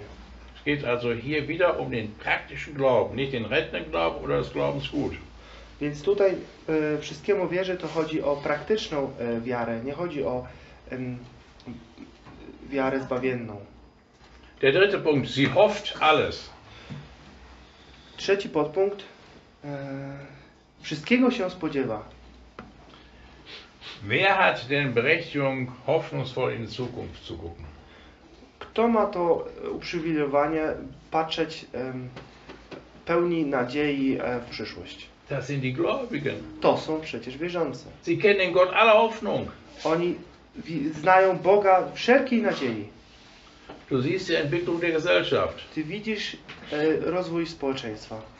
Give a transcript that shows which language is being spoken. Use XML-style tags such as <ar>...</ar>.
<de>Es geht also hier wieder um den praktischen Glauben, nicht den rettenden Glauben oder das Glaubensgut.</de> <pl>Więc tutaj wszystkiemu wierzę, to chodzi o praktyczną wiarę, nie chodzi o wiarę zbawienną.</pl> <de>Der dritte Punkt, sie hofft alles.</de> <pl>Trzeci podpunkt, wszystkiego się spodziewa.</pl> <de>Wer hat denn Berechtigung, hoffnungsvoll in Zukunft zu gucken?</de> <pl>Kto ma to uprzywilejowanie patrzeć pełni nadziei w przyszłość?</pl> <de>Das sind die Gläubigen.</de> <pl>To są przecież wierzący.</pl> <de>Sie kennen Gott aller Hoffnung.</de> <pl>Oni znają Boga wszelkiej nadziei.</pl> <de>Du siehst die Entwicklung der Gesellschaft.</de> <pl>Ty widzisz rozwój społeczeństwa.</pl>